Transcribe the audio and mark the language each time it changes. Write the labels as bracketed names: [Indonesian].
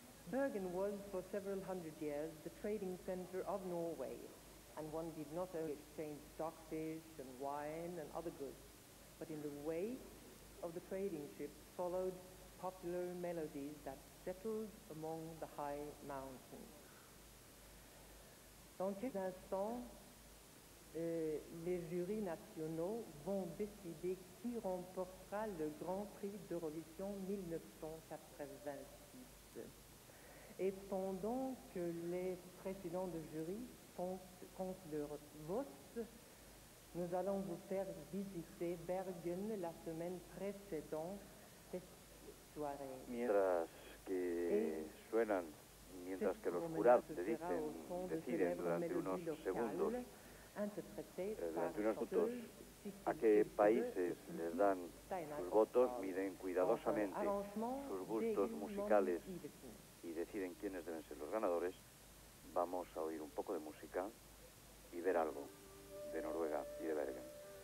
[English] Bergen was for several hundred years the trading center of Norway, and one did not only exchange stockfish and wine and other goods, but in the wake of the trading ships followed popular melodies that settled among the high mountains. [French] Dans quelques instants, les jurys nationaux vont décider qui remportera le Grand Prix d'Eurovision 1986. Et pendant que les présidents de jury comptent leur vote, nous allons vous faire visiter Bergen la semaine précédente cette soirée. [Spanish] Mientras que suenan, mientras que los jurados te dicen, deciden durante unos segundos, durante unos minutos, a qué países les dan sus votos, miden cuidadosamente sus gustos musicales y deciden quiénes deben ser los ganadores, vamos a oír un poco de música y ver algo de Noruega y de Bergen.